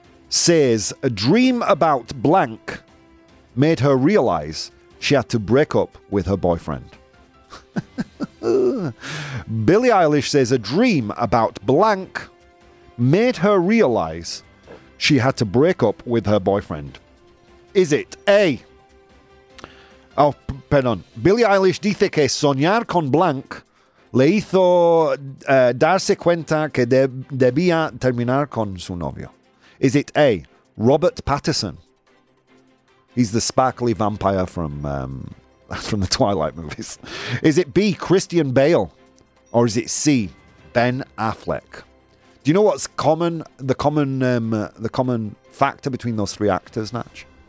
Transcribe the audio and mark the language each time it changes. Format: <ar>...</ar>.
<en>says a dream about blank made her realize she had to break up with her boyfriend. Billie Eilish says a dream about blank made her realize she had to break up with her boyfriend. Is it A? Oh, perdón.</en> <es>Billie Eilish dice que soñar con blank le hizo darse cuenta que debía terminar con su novio.</es> <en>Is it A? Robert Pattinson. He's the sparkly vampire from the Twilight movies. Is it B? Christian Bale, or is it C? Ben Affleck. Do you know what's common? The common factor between those three actors, Natch?</en>